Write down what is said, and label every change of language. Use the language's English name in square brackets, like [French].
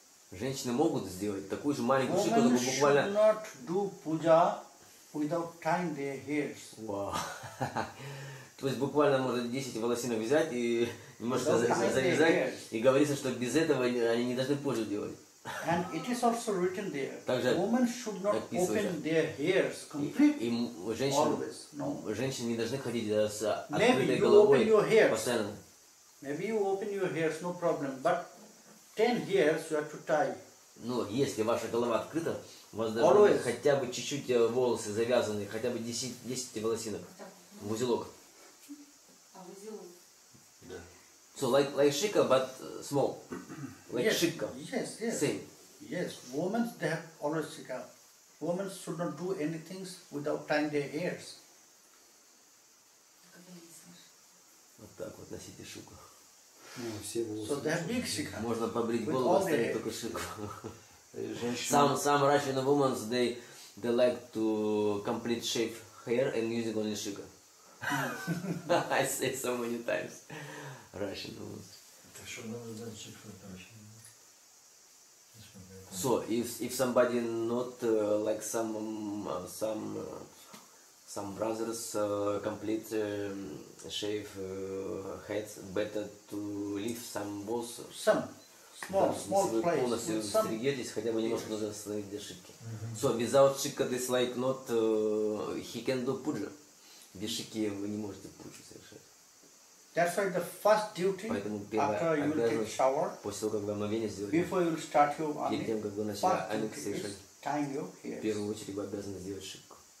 [Russian] Женщины могут сделать такую же маленькую шику, но буквально. [English] Women should not do puja without tying their hairs. Wow. [Russian] То есть буквально можно 10 волосинок взять и немножко завязать и говорится, что без этого они не должны позже делать. [English] And it is also written there. [Russian] Также. [English] Women should not open their hairs completely. [Russian] И женщины. [English] No. [Russian] Женщины не должны ходить с открытой головой. [English] Maybe you open your hairs. [Russian] Постоянно. [English] Maybe you open your hairs, no problem. But 10 hairs you have to tie. [Russian] Ну, если ваша голова открыта, у вас должны быть хотя бы чуть-чуть волосы завязаны, хотя бы 10 волосинок. В узелок. А в узелок? Да. [English] So like шика, but small. Like шика. Yes, yes. Same. Yes. Women they have always шика. Women should not do anything without tying their hairs. [Russian] Вот так вот носите шику. So that big шика. Можно побрить голову, оставить только шику. [English] Some Russian women they like to complete shave hair and using only шика. I say so many times. Russian women. So if somebody not like some brothers complete shave heads, better to leave some balls. Small place. [Russian] Полностью стригетесь, хотя бы немножко нужно остановить для шики. [English] So without шика this like not he can do puja. [Russian] Без шики вы не можете пуджу совершать. [English] That's why the first duty after you take shower, [Russian] после того как вы омовение сделали, [English] before you start your ani, [Russian] перед тем как вы начали ani совершать, [English] tying your hairs. [Russian] В первую очередь вы обязаны сделать шику.